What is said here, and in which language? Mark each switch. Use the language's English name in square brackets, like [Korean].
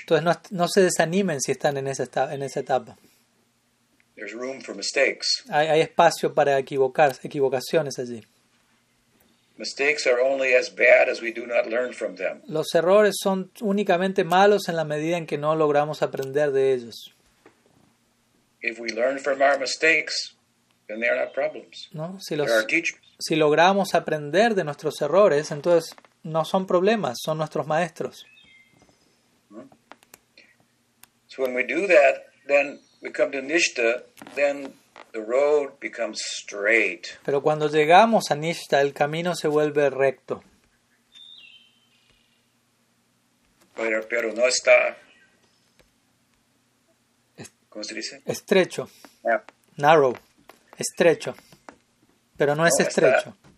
[Spanish] Entonces, no se desanimen si están en esa etapa. [English] There's room for mistakes. [Spanish] Hay espacio para equivocaciones allí. [English] Mistakes are only as bad as we do not learn from them. [Spanish] Los errores son únicamente malos en la medida en que no logramos aprender de ellos. [English] If we learn from our mistakes, then they are not problems. [Spanish] No, si logramos aprender de nuestros errores, entonces no son problemas, son nuestros maestros. [English] So when we do that, then we come to Nishta, then the road becomes straight. [Spanish] Pero cuando llegamos a Nishta, el camino se vuelve recto. Pero no está... ¿Cómo se dice? Estrecho. [English] Yeah. Narrow. [Spanish] Estrecho. Pero no es estrecho.